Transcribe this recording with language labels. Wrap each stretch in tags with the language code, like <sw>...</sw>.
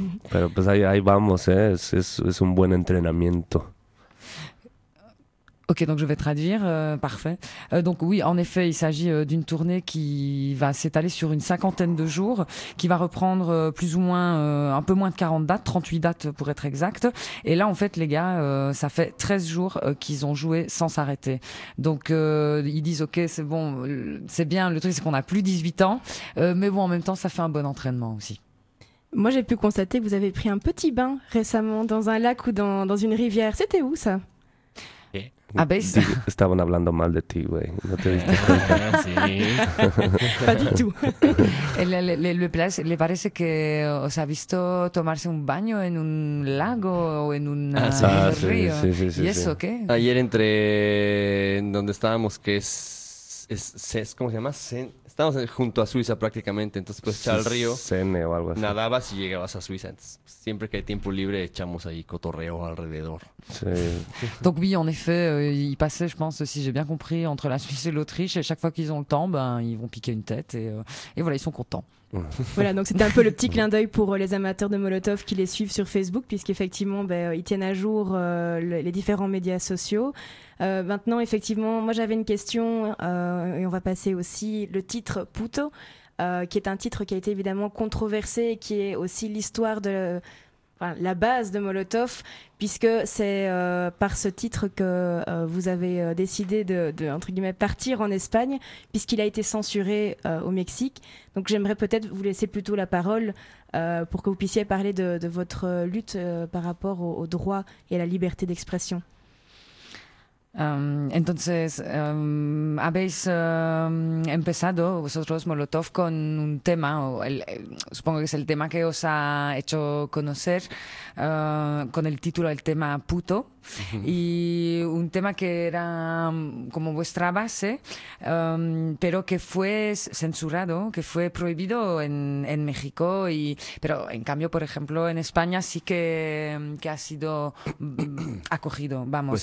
<es>Pero pues ahí vamos, es un buen entrenamiento.</es> <fr>Ok, donc je vais traduire, parfait. Donc oui, en effet, il s'agit d'une tournée qui va s'étaler sur une cinquantaine de jours, qui va reprendre plus ou moins, un peu moins de 40 dates, 38 dates pour être exact. Et là, en fait, les gars, ça fait 13 jours qu'ils ont joué sans s'arrêter. Donc ils disent, ok, c'est bon, c'est bien, le truc c'est qu'on a plus 18 ans, mais bon, en même temps, ça fait un bon entraînement aussi. Moi, j'ai pu constater que vous avez pris un petit bain récemment dans un lac ou dans une rivière. C'était où ça?</fr> <es>Ah, ¿ves? Estaban hablando mal de ti, güey. No te diste cuenta. Sí.</es> <fr>Pas du tout.</fr> <es>¿Le parece que os ha visto tomarse un baño en un lago o en un río? Sí, sí, sí. ¿Y eso qué? Ayer entré en donde estábamos, que es ¿cómo se llama? Estábamos junto a Suiza prácticamente, entonces pues echaba al río. Sene o algo así. Nadabas y llegabas a Suiza. Entonces, siempre que hay tiempo libre, echamos ahí cotorreo alrededor. Sí.</es> <fr>Donc oui, en effet, ils passaient, je pense, si j'ai bien compris, entre la Suisse et l'Autriche. Et chaque fois qu'ils ont le temps, ils vont piquer une tête. Et voilà, ils sont contents. Voilà, donc c'était un peu le petit clin d'œil pour les amateurs de Molotov qui les suivent sur Facebook, puisqu'effectivement, ils tiennent à jour les différents médias sociaux. Maintenant, effectivement, moi j'avais une question, et on va passer aussi le titre Puto, qui est un titre qui a été évidemment controversé, qui est aussi l'histoire de... Enfin, la base de Molotov, puisque c'est par ce titre que vous avez décidé de entre guillemets, partir en Espagne, puisqu'il a été censuré au Mexique. Donc j'aimerais peut-être vous laisser plutôt la parole pour que vous puissiez parler de votre lutte par rapport au droit et à la liberté d'expression.</fr> <es>Entonces, habéis empezado vosotros Molotov con un tema, supongo que es el tema que os ha hecho conocer, con el título del tema Puto, y un tema que era como vuestra base, pero que fue censurado, que fue prohibido en México, pero en cambio, por ejemplo, en España sí que ha sido acogido, vamos.</es>